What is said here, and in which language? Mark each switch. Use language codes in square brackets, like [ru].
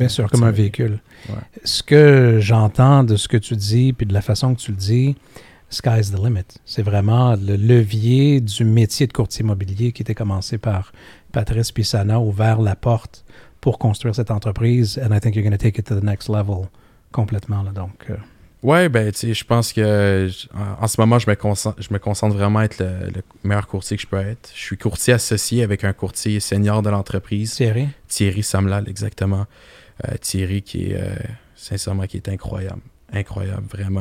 [fr] Comme un véhicule. Ouais. Ce que j'entends de ce que tu dis, puis de la façon que tu le dis, [en] sky's the limit. [fr] C'est vraiment le levier du métier de courtier immobilier qui était commencé par Patrice Pisana, ouvert la porte pour construire cette entreprise. [en] And I think you're going to take it to the next level [fr] complètement. Là, donc, Ouais, ben, tu sais, je pense que en ce moment, je me concentre vraiment à être le meilleur courtier que je peux être. Je suis courtier associé avec un courtier senior de l'entreprise. Thierry Samlal, exactement. Thierry qui est, sincèrement, qui est incroyable. Incroyable, vraiment.